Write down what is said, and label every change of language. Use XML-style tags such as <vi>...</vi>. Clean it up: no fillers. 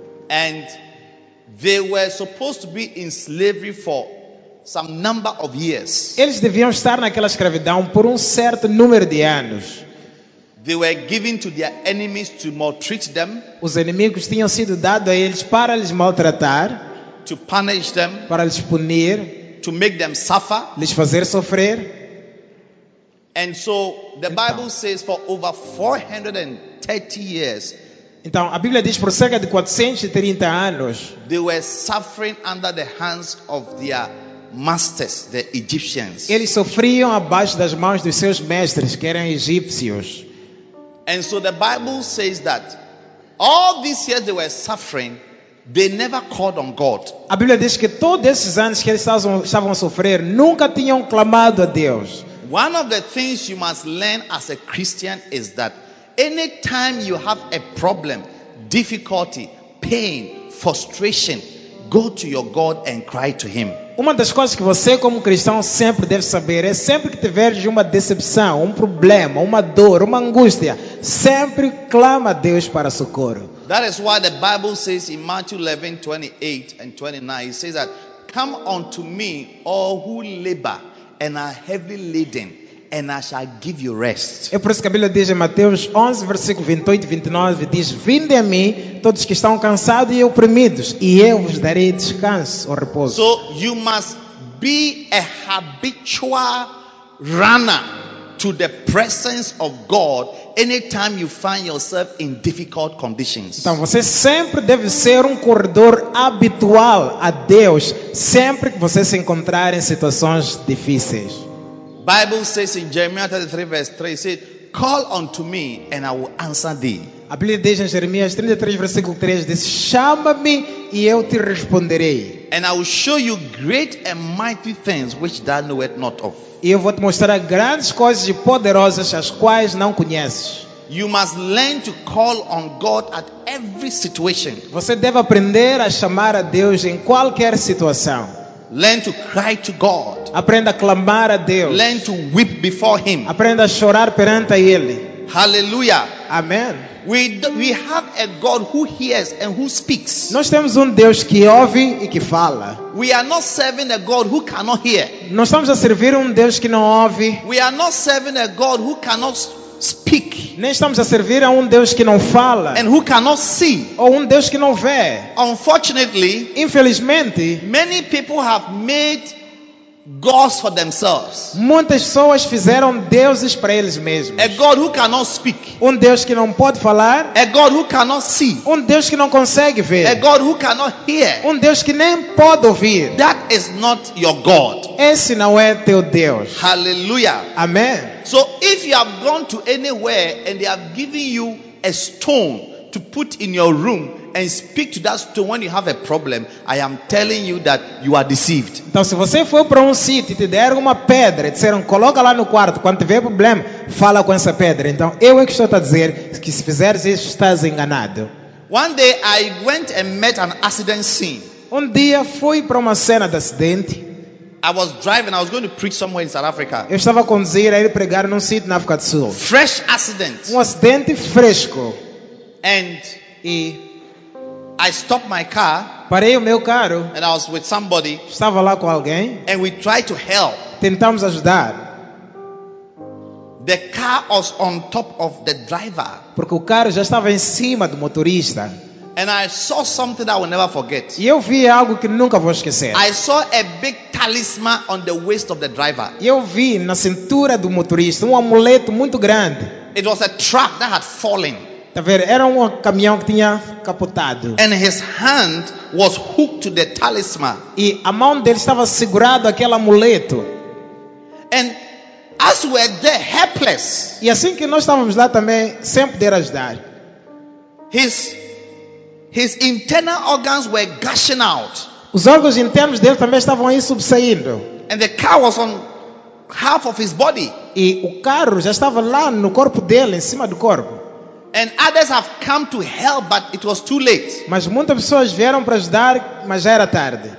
<en>And they were supposed to be in slavery for some number of years.</en> <pt>Eles deviam estar naquela escravidão por certo número de anos.</pt> <en>They were given to their enemies to maltreat them.</en> <pt>Os inimigos tinham sido dados a eles para lhes maltratar,</pt> <en>to punish them,</en> <pt>para lhes punir,</pt> <en>to make them suffer,</en> <pt>lhes fazer sofrer.</pt> <en>And so the Bible says for over 430 years.</en> <pt>Então a Bíblia diz por cerca de 430 anos.</pt> <en>They were suffering under the hands of their masters, the Egyptians.</en> <pt>Eles sofriam abaixo das mãos dos seus mestres, que eram egípcios.</pt> <en>And so the Bible says that all these years they were suffering, they never called on God.</en> <pt>A Bíblia diz que todos esses anos que eles estavam a sofrer, nunca tinham clamado a Deus.</pt> <en>One of the things you must learn as a Christian is that anytime you have a problem, difficulty, pain, frustration, go to your God and cry to Him.</en> <pt>Uma das coisas que você como cristão sempre deve saber é sempre que tiveres uma decepção, problema, dor, angústia, sempre clama a Deus para socorro.</pt> <en>That is why the Bible says in Matthew 11:28 and 29, it says that, "Come unto me, all who labor and are heavy laden, and I shall give you rest."</en> <pt>É por isso que a Bíblia diz em Mateus 11, versículo 28 e 29, diz: "Vinde a mim, todos que estão cansados e oprimidos, e eu vos darei descanso ou repouso."</pt> <en>So you must be a habitual runner to the presence of God anytime you find yourself in difficult conditions.</en> <pt>Então você sempre deve ser corredor habitual a Deus sempre que você se encontrar em situações difíceis.</pt> <en>Bible says in Jeremiah 33 verse 3, it says, "Call unto me and I will answer thee."</en> <pt>A Bíblia diz em Jeremias 33 versículo 3, diz: "Chama-me e eu te responderei."</pt> <en>"And I will show you great and mighty things which thou knowest not of."</en> <pt>E eu vou te mostrar grandes coisas e poderosas as quais não conheces.</pt> <en>You must learn to call on God at every situation.</en> <pt>Você deve aprender a chamar a Deus em qualquer situação.</pt> <en>Learn to cry to God.</en> <pt>Aprenda a clamar a Deus.</pt> <en>Learn to weep before Him.</en> <pt>Aprenda a chorar perante a Ele.</pt> <en>Hallelujah.</en> <pt>Amen.</pt> <en>We have a God who hears and who speaks.</en> <pt>Nós temos Deus que ouve e que fala.</pt> <en>We are not serving a God who cannot hear.</en> <pt>Nós estamos a servir Deus que não ouve.</pt> <en>We are not serving a God who cannot speak.</en> <pt>Nem estamos a servir Deus que não fala.</pt> <en>And who cannot see.</en> <pt>Ou Deus que não vê.</pt> <en>Unfortunately,</en> <pt>infelizmente,</pt> <en>many people have made gods for themselves.</en> <pt>Muitas pessoas fizeram deuses para eles mesmos.</pt> <en>A God who cannot speak.</en> <pt>Deus que não pode falar.</pt> <en>A God who cannot see.</en> <pt>Deus que não consegue ver.</pt> <en>A God who cannot hear.</en> <pt>Deus que nem pode ouvir.</pt> <en>That is not your God.</en> <pt>Esse não é teu Deus.</pt> <en>Hallelujah.</en> <pt>Amen.</pt> <en>So if you have gone to anywhere and they have given you a stone to put in your room and speak to that stone when you have a problem, I am telling you that you are deceived.</en> <pt>Então, se você for para sítio e te deram uma pedra, disseram, coloca lá no quarto, quando tiver problema, fala com essa pedra. Então, eu é que estou a dizer que se fizeres isso, estás enganado.</pt> <en>One day, I went and met an accident scene.</en> <pt>Dia, fui para uma cena de acidente.</pt> <en>I was driving, I was going to preach somewhere in South Africa.</en> <pt>Eu estava a conduzir, a ir pregar num sítio na África do Sul.</pt> <en>Fresh accident.</en> <pt>Acidente fresco.</pt> <en>And I stopped my car.</en> <pt>Parei o meu carro.</pt> <en>And I was with somebody.</en> <pt>Estava lá com alguém.</pt> <en>And we tried to help.</en> <pt>Tentamos ajudar.</pt> <en>The car was on top of the driver.</en> <pt>Porque o carro já estava em cima do motorista.</pt> <en>And I saw something that I will never forget.</en> <pt>E eu vi algo que nunca vou esquecer.</pt> <en>I saw a big talisman on the waist of the driver.</en> <pt>E eu vi na cintura do motorista um amuleto muito grande.</pt> <en>It was a truck that had fallen.</en> <pt>Era um caminhão que tinha capotado.</pt> <en>And his hand was hooked to the talisman.</en> <pt>E a mão dele estava segurada aquele amuleto.</pt> <en>And as we were there, helpless.</en> <pt>E assim que nós estávamos lá também, sem poder ajudar.</pt> <en>His internal organs were gushing out.</en> <pt>Os órgãos internos dele também estavam aí subsaindo.</pt> <en>And the car was on half of his body.</en> <pt>E o carro já estava lá no corpo dele, em cima do corpo.</pt> <en>And others have come to help, but it was too late.</en> <pt>Mas muitas pessoas vieram para ajudar, mas já era tarde.</pt>